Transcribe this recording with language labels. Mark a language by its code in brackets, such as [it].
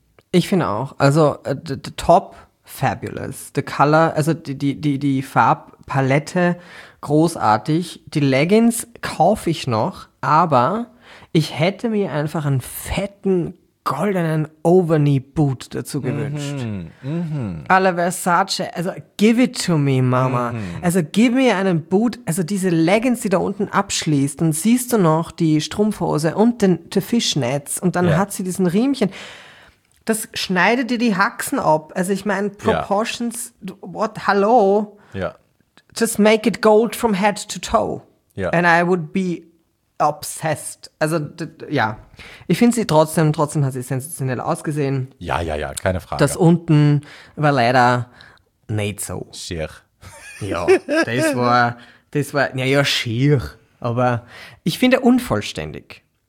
[de] Ich finde auch. Also [en] the top fabulous. The color, [de] also die Farbpalette großartig. Die Leggings kaufe ich noch, aber ich hätte mir einfach einen fetten, goldenen Overknee-Boot dazu gewünscht. Mm-hmm. [en] Alla Versace, also give it to me, Mama. Mm-hmm. [de] Also gib mir einen Boot, also diese Leggings, die da unten abschließt, dann siehst du noch die Strumpfhose und die Fischnetz und dann hat sie diesen Riemchen. Das schneidet dir die Haxen ab. Also ich meine, Proportions, hallo? Ja. [en] Just make it gold from head to toe. [de] Ja. [en] And I would be obsessed. [de] Also, ich finde sie trotzdem hat sie sensationell ausgesehen. Ja, keine Frage. Das unten war leider nicht so. Schier. Ja, das war, naja, schier. Aber ich finde unvollständig.